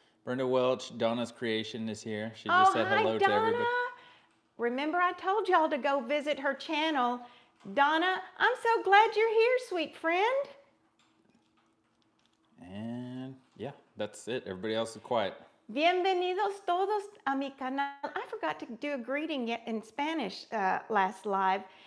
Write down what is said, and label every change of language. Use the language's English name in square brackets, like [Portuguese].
[English] Brenda Welch, Donna's Creation is here. She just said hello to everybody. Remember I told y'all to go visit her channel. Donna, I'm so glad you're here, sweet friend. And yeah, that's it. Everybody else is quiet. [Spanish] Bienvenidos todos a mi canal. [English] I forgot to do a greeting yet in Spanish last live.